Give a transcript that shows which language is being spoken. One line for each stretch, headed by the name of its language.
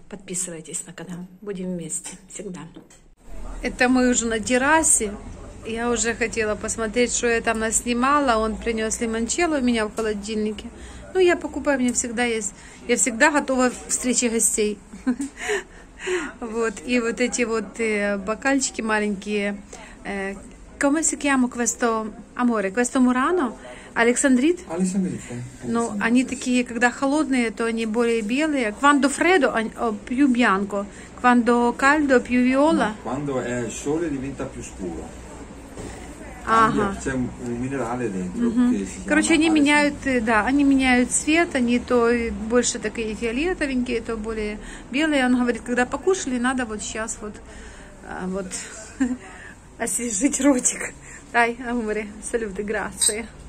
Russian: Подписывайтесь на канал. Будем вместе. Всегда. Это мы уже на террасе. Я уже хотела посмотреть, что я там наснимала. Он принес лимончелло у меня в холодильнике. Ну, я покупаю, у меня всегда есть. Я всегда готова к встрече гостей. Вот. И вот эти вот бокальчики маленькие.
Italian: Come si chiama questo amore? Questo Murano? Александрит?
Russian: Александрит, ну, они такие, когда холодные, то они более белые.
Italian: Quando freddo, più bianco. Quando caldo, più viola. Quando è sole, diventa più scuro.
Russian: Ага.
Italian: C'è un minerale dentro. Uh-huh.
Russian: Короче, они меняют, да, они меняют цвет, они то больше такие фиолетовенькие, то более белые. Он говорит, когда покушали, надо вот сейчас вот, вот освежить ротик.
Italian: Дай, амуре, салюты, грации.